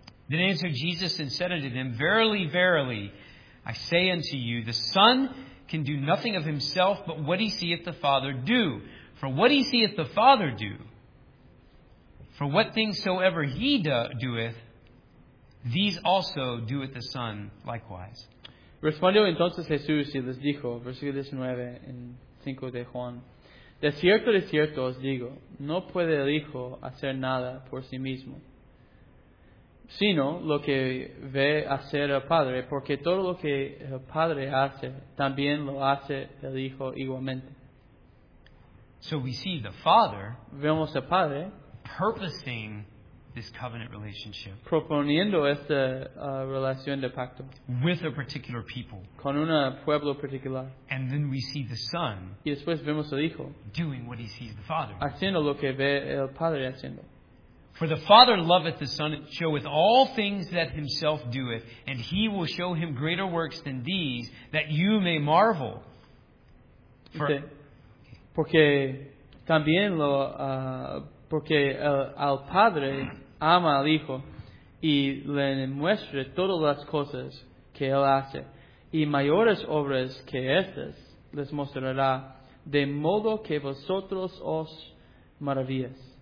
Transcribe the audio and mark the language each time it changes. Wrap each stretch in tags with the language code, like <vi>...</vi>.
<en>Then answered Jesus and said unto them, Verily, verily, I say unto you, the Son can do nothing of himself but what he seeth the Father do. For what he seeth the Father do, for what things soever he doeth, these also doeth the Son likewise.</en> <es>Respondió entonces Jesús y les dijo, versículo 19, en 5 de Juan. De cierto os digo, no puede el Hijo hacer nada por sí mismo, sino lo que ve hacer el Padre, porque todo lo que el Padre hace, también lo hace el Hijo igualmente.</es> <en>So we see the Father,</en> <es>vemos al Padre,</es> <en>purposing this covenant relationship,</en> <es>proponiendo esta relación de pacto,</es> <en>with a particular people,</en> <es>con un pueblo particular,</es> <en>and then we see the Son,</en> <es>y después vemos al Hijo,</es> <en>doing what he sees the Father,</en> <es>haciendo lo que ve el Padre haciendo.</es> <en>For the Father loveth the Son, and showeth all things that himself doeth, and he will show him greater works than these, that you may marvel. For, okay.</en> <es>porque también lo porque al padre ama al hijo y le muestra todas las cosas que él hace, y mayores obras que estas les mostrará, de modo que vosotros os maravilléis.</es>